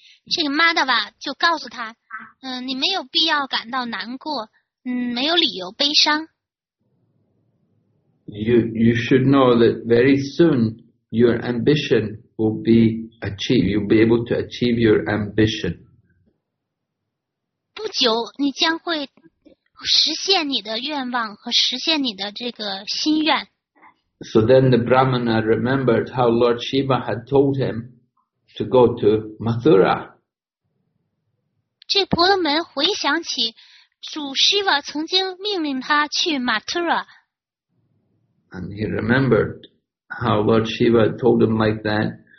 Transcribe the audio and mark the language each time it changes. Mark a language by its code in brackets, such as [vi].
[zh] 这个 Madhava 就告诉他，你没有必要感到难过，没有理由悲伤。 [en] You should know that very soon your ambition will be achieved. You'll be able to achieve your ambition. [zh] 不久，你将会实现你的愿望和实现你的这个心愿。 [en] So then the Brahmana remembered how Lord Shiva had told him to go to Mathura. [zh] 这婆罗门回想起主 Shiva 曾经命令他去 Mathura。 [en] And he remembered how Lord Shiva told him like that.